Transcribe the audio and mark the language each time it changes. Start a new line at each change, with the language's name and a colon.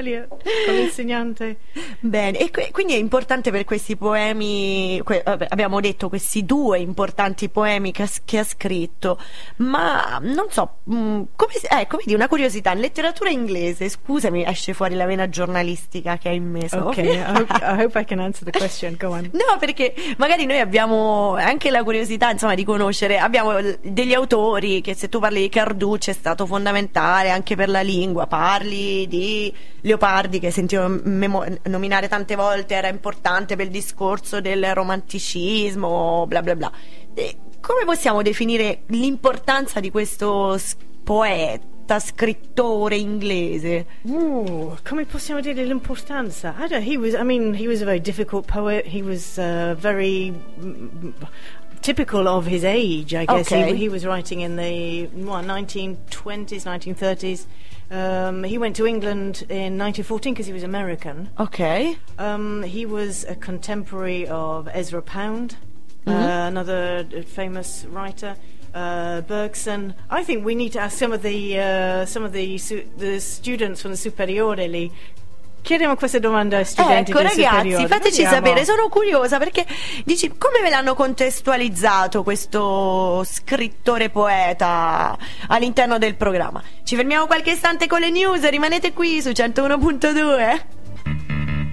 Italian: Eliot, con l'insegnante? Bene. E quindi è importante per questi poemi, abbiamo detto questi due importanti poemi che ha scritto, ma non so, come di una curiosità, in letteratura inglese, scusami, esce fuori la vena giornalistica che hai in me.
English: Ok, I hope I can answer the question, go on.
Italian: No, perché magari noi abbiamo anche la curiosità, insomma, di conoscere, abbiamo degli autori che, se tu parli di Carducci, è stato fondamentale anche per la lingua, parli di Leopardi, che sentivo nominare tante volte, era importante per il discorso del romanticismo, bla bla bla. E come possiamo definire l'importanza di questo poeta, scrittore inglese? Come possiamo dire l'importanza?
English: He was a very difficult poet. He was very typical of his age, I guess. Okay. He was writing in the 1920s, 1930s. He went to England in 1914 because he was American. Okay. He was a contemporary of Ezra Pound, another famous writer, Bergson. I think we need to ask some of the students from the Superiore lì.
Italian: Chiediamo queste domande ai studenti. Ecco, ragazzi, fateci sapere, sono curiosa, perché dici, come ve l'hanno contestualizzato questo scrittore poeta all'interno del programma? Ci fermiamo qualche istante con le news, rimanete qui su 101.2.